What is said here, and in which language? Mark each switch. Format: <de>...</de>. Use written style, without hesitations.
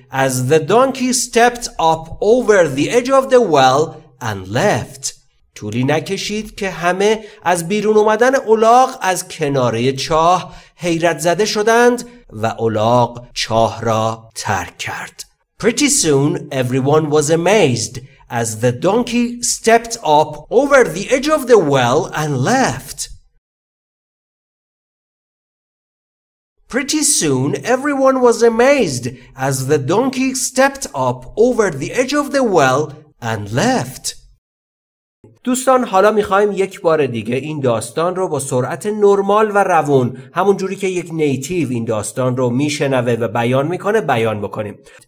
<en>as the donkey stepped up over the edge of the well and left</en> <fa>طولی نکشید که همه از بیرون اومدن الاغ از کناره چاه حیرت زده شدند و الاغ چاه را ترک کرد.</fa> <en>Pretty soon everyone was amazed as the donkey stepped up over the edge of the well and left. Pretty soon everyone was amazed as the donkey stepped up over the edge of the well and left.</en> <fa>دوستان حالا میخواییم یک بار دیگه این داستان رو با سرعت نرمال و روون همون جوری که یک نیتیو این داستان رو میشنوه و بیان میکنه بیان بکنیم.</fa>